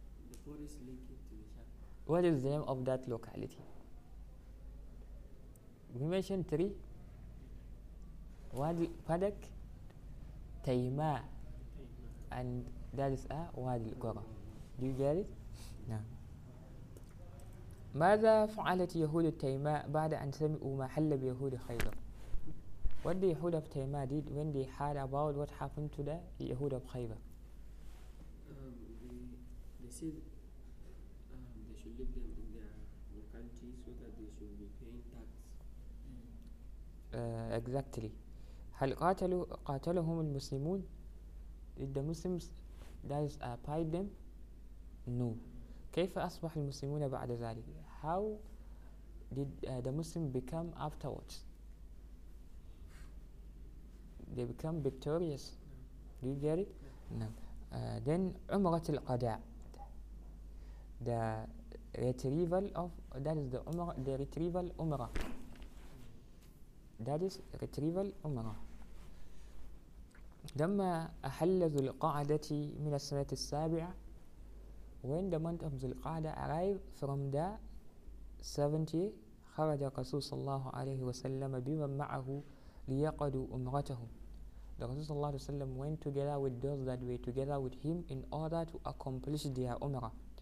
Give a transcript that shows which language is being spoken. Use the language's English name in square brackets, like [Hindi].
[English] The forest linking to the Sham. What is the name of that locality? We mentioned three. Wadi al-Falak, Tayma, and that is a Wadi al-Qura. Do you get it? No. [Arabic] ماذا فعلت يهود التيماء بعد أن سمعوا ما حل بيهود خيبر? [English] What the Yahud of Tayma did when they heard about what happened to the Yahud of Khaybar? They said they should leave them in their locality so that they should be paying tax. Exactly. [Arabic] هل قاتلوا قاتلهم المسلمون? [English] Did the Muslims does fight them? No. [Arabic] كيف أصبح المسلمون بعد ذلك? [English] How did the Muslims become afterwards? They become victorious. Do you get it? No. Then Umrat al-Qada', the retrieval of that is the Umrah, the retrieval Umrah. That is retrieval umrah. [Arabic] لما أحل ذو القعدة من السنة السابعة, [English] when the month of ذو القعدة arrived from the 70, [Arabic] خرج الرسول صلى الله عليه وسلم بمن معه ليقضوا أمرته. [English] The Rasul صلى الله عليه وسلم went together with those that were together with him in order to accomplish their umrah.